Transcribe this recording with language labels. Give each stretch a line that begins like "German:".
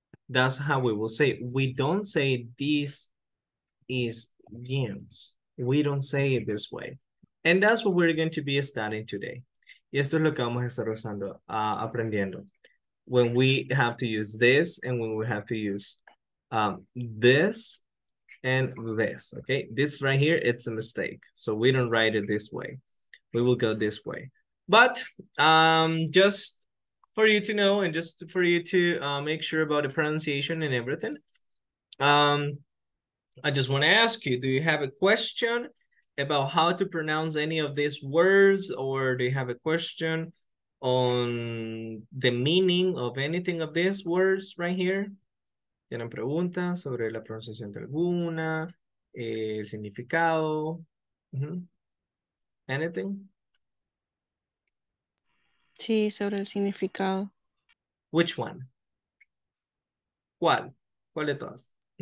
English: That's how we will say it. We don't say this is gyms. We don't say it this way. And that's what we're going to be studying today.
Spanish: Y esto es lo que vamos a estar usando, aprendiendo.
English: When we have to use this and when we have to use this and this, okay? This right here, it's a mistake. So we don't write it this way. We will go this way. But just for you to know and just for you to make sure about the pronunciation and everything, I just want to ask you, do you have a question about how to pronounce any of these words, or do you have a question on the meaning of anything of these words right here?
Spanish: ¿Tienen preguntas sobre la pronunciación de alguna, el significado?
English: Mm-hmm. Anything?
Spanish: Sí, sobre el significado.
English: Which one?
Spanish: ¿Cuál? ¿Cuál de todas?